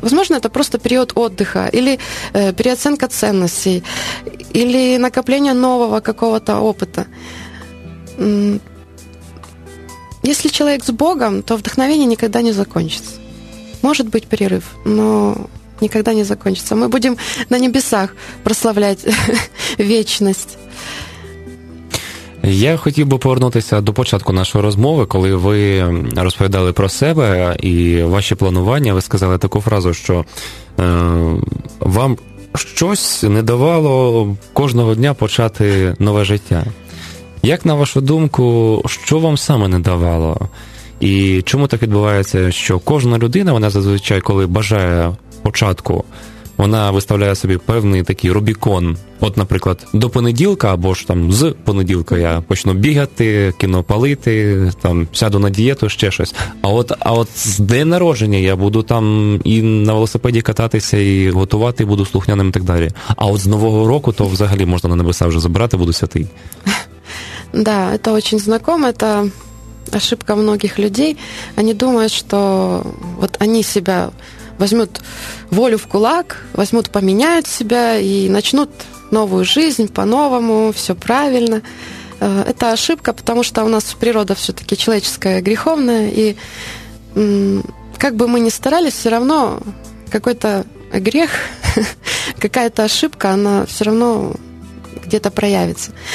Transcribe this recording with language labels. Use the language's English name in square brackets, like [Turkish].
[Russian] Возможно, это просто период отдыха или переоценка ценностей, или накопление нового какого-то опыта. Если человек с Богом, то вдохновение никогда не закончится. Может быть перерыв, но никогда не закончится. Мы будем на небесах прославлять вечность. [Ukrainian] Я хотів би повернутися до початку нашої розмови, коли ви розповідали про себе і ваші планування. Ви сказали таку фразу, що вам щось не давало кожного дня почати нове життя. Як, на вашу думку, що вам саме не давало? І чому так відбувається, що кожна людина, вона зазвичай, коли бажає початку, вона виставляє собі певний такий рубікон. От, наприклад, до понеділка, або ж там з понеділка я почну бігати, кіно палити, там сяду на дієту, ще щось. А от з день народження я буду там і на велосипеді кататися, і готувати, буду слухняним і так далі. А от з нового року то взагалі можна на небеса вже забирати, буду святий. Да, це дуже знайомо, це ошибка багатьох людей. Вони думають, що от вони себе [Russian] возьмут волю в кулак, возьмут, поменяют себя и начнут новую жизнь по-новому, все правильно. Это ошибка, потому что у нас природа все-таки человеческая, греховная, и как бы мы ни старались, все равно какой-то грех, какая-то ошибка, она все равно где-то проявится.